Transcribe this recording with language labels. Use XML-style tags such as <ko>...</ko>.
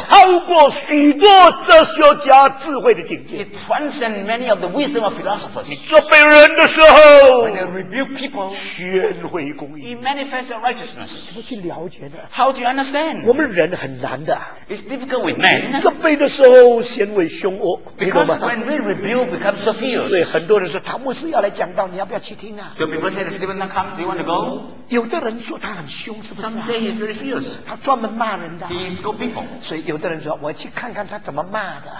<zh>超过许多哲学家智慧的境界</zh> <en>It transcends many of the wisdom of philosophers</en> <zh>你责备人的时候</zh> <en>When they rebuke people</en> <zh>全会公义</zh> <en>It manifests their righteousness</en> <zh>怎么去了解呢</zh> <en>How do you understand?</en> <zh>我们人很难的</zh> <en>It's difficult with men</en> <zh>责备的时候显为凶恶</zh> <en>Because when we rebuke becomes so fierce</en> <zh>对很多人说唐牧师要来讲道你要不要去听啊</zh> <en>So people say that Stephen comes, do you want to go?</en> <zh>有的人说他很凶是不是、啊、</zh> <en>Some say he's very fierce.</en> <zh>他专门骂人的。</zh> <en>He scold people.</en> <zh>所以有的人说，我去看看他怎么骂的。</zh>